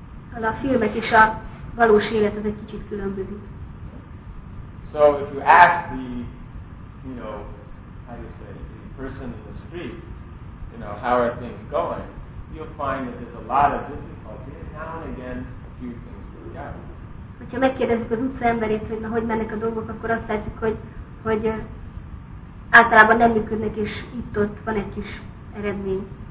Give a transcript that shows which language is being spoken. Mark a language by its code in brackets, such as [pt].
[hu] a filmek és a valós élet az egy kicsit különbözik. [en] So if you ask the, you know, how do you say, the person in the street, you know, how are things going, you'll find that there's a lot of difficulty and now and again a few things go down. [hu] Hogyha megkérdezzük az utca emberét, hogy na, hogy mennek a dolgok, akkor azt látjuk, hogy általában nem működnek, és itt-ott van egy kis eredmény.